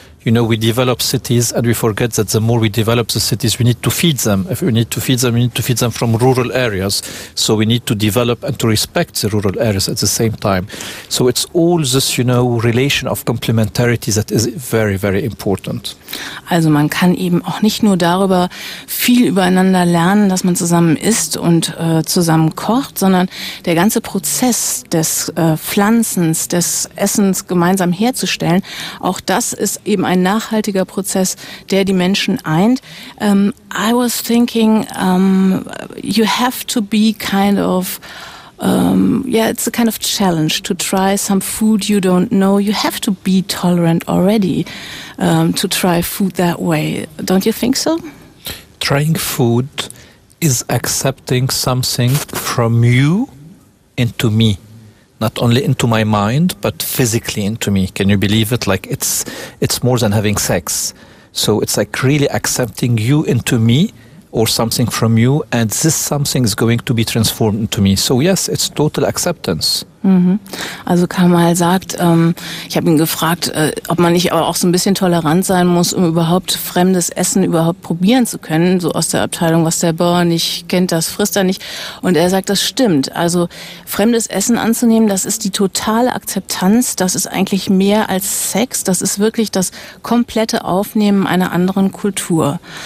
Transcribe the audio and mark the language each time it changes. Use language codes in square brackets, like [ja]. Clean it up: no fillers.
[en] You know, we develop cities and we forget that the more we develop the cities, we need to feed them. If we need to feed them, we need to feed them from rural areas. So we need to develop and to respect the rural areas at the same time. So it's all this, you know, relation of complementarity that is very, very important. [de] Also man kann eben auch nicht nur darüber viel übereinander lernen, dass man zusammen isst und zusammen kocht, sondern der ganze Prozess des Pflanzens, des Essens gemeinsam herzustellen, auch das ist eben ein nachhaltiger Prozess, der die Menschen eint. [en] I was thinking, you have to be kind of, it's a kind of challenge to try some food you don't know. You have to be tolerant already to try food that way. Don't you think so? Trying food is accepting something from you into me. Not only into my mind, but physically into me. Can you believe it? Like it's more than having sex. So it's like really accepting you into me or something from you, and this something is going to be transformed into me. So yes, it's total acceptance. Mhm. [de] Also Kamal sagt, ich habe ihn gefragt, ob man nicht aber auch so ein bisschen tolerant sein muss, um überhaupt fremdes Essen überhaupt probieren zu können, so aus der Abteilung, was der Bauer nicht kennt, das frisst er nicht. Und er sagt, das stimmt. Also fremdes Essen anzunehmen, das ist die totale Akzeptanz, das ist eigentlich mehr als Sex, das ist wirklich das komplette Aufnehmen einer anderen Kultur.